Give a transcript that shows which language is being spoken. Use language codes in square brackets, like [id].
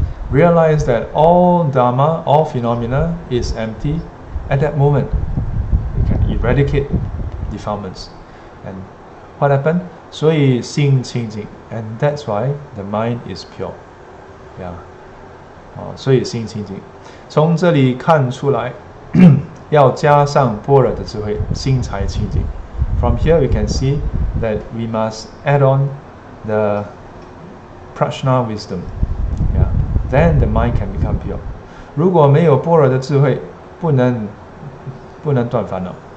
[en] realize that all dharma, all phenomena is empty at that moment. You can eradicate defilements. And what happened? [zh] 所以心清净, [en] and that's why the mind is pure. [zh] Yeah. 所以心清净. 从这里看出来, 要加上般若的智慧, 心才清净. [en] From here we can see that we must add on the prajna wisdom. Yeah. Then the mind can become pure. [zh] 如果没有般若的智慧, 不能断烦恼.